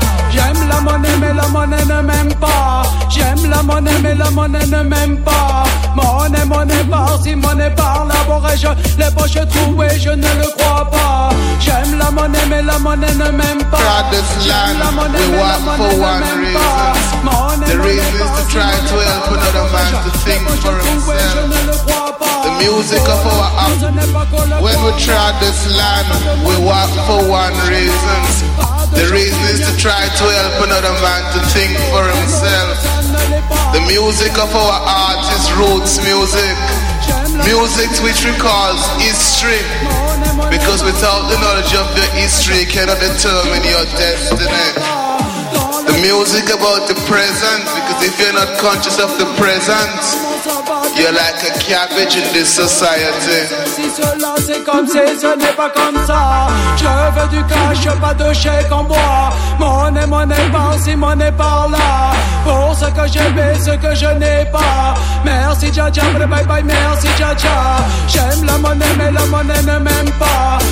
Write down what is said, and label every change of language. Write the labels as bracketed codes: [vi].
[fr] J'aime la money, mais la money ne m'aime pas. J'aime la money, mais la money ne m'aime pas. Monnaie, monnaie par-ci, monnaie par-là, aurais-je les poches trouées, je ne le crois pas. J'aime la monnaie, mais la monnaie ne m'aime pas. J'aime la monnaie, mais la monnaie ne m'aime pas. [en] The reason is to try to help another man to think for himself. The music of our art. When we trod this land, we walk for one reason. The reason is to try to help another man to think for himself. The music of our art is roots music. Music which recalls history. Because without the knowledge of your history, you cannot determine your destiny. The music about the present, because if you're not conscious of the present, you're like a cabbage in this society. [fr] Si cela c'est comme si ce n'est pas comme ça. Je veux du cash, pas de chèque en bois. Monnaie, monnaie par ci, monnaie par là. Pour ce que j'ai fait, ce que je n'ai pas. Merci Dja Dja, bye bye bye, merci Dja Dja. J'aime la monnaie, mais la monnaie ne m'aime pas.